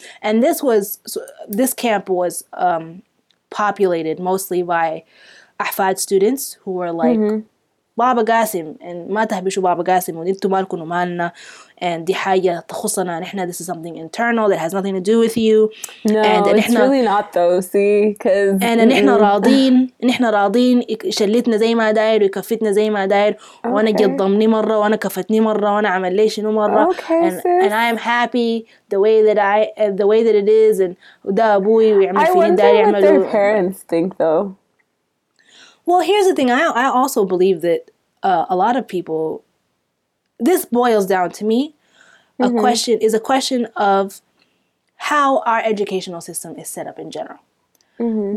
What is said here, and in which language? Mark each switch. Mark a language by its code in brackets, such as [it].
[en] And this camp was populated mostly by Ahfad students who were like, mm-hmm. [ar] بابا قاسم and ما تحبشوا بابا قاسم وانتوا مالكم ومالنا and دي حاجة تخصنا نحنا, [en] this is something internal that has nothing to do with you. No, it's really not though, see? Cause, [ar] and نحنا راضين شلتنا زي ما داير وكفتنا زي ما داير وانا قضمني مرة وانا كفتني مرة وانا عمل لي شنو مرة and [en] I am happy the way that it is [ar] and ده أبوي ويعمل فيه داير يعمل. [en] I wonder what their parents think though. Well, here's the thing. I also believe that a lot of people, this boils down to me, a question of how our educational system is set up in general. Mm-hmm.